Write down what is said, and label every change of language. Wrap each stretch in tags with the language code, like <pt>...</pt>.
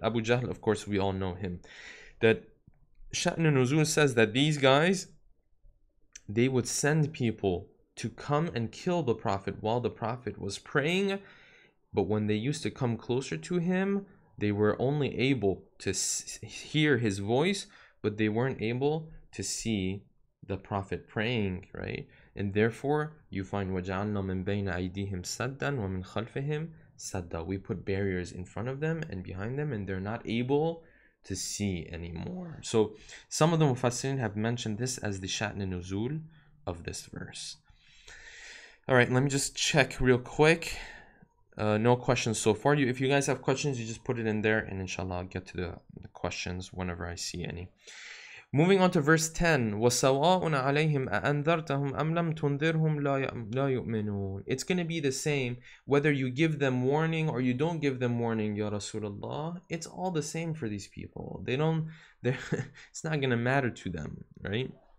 <en>Abu Jahl, of course, we all know him. That Sha'n al-Nuzul says that these guys, they would send people to come and kill the Prophet while the Prophet was praying, but when they used to come closer to him, they were only able to hear his voice, but they weren't able to see the Prophet praying, right? And therefore, you find</en> <ar>وَجَعَلْنَا مِنْ بَيْنَ أَيْدِيهِمْ سَدًّا وَمِنْ خَلْفِهِمْ سَدًّا.</ar> <en>We put barriers in front of them and behind them, and they're not able to see anymore. So some of the Mufassirin have mentioned this as the Sha'n al-Nuzul of this verse. All right, let me just check real quick. No questions so far. If you guys have questions, you just put it in there, and inshallah, I'll get to the questions whenever I see any. Moving on to verse 10,</en> <ar>وَسَوَاءٌ عَلَيْهِمْ أَأَنذَرْتَهُمْ أَمْ لَمْ تُنذِرْهُمْ لَا يُؤْمِنُونَ.</ar> <en>It's going to be the same whether you give them warning or you don't give them warning, Ya Rasulullah. It's all the same for these people. It's not going to matter to them, right?</en>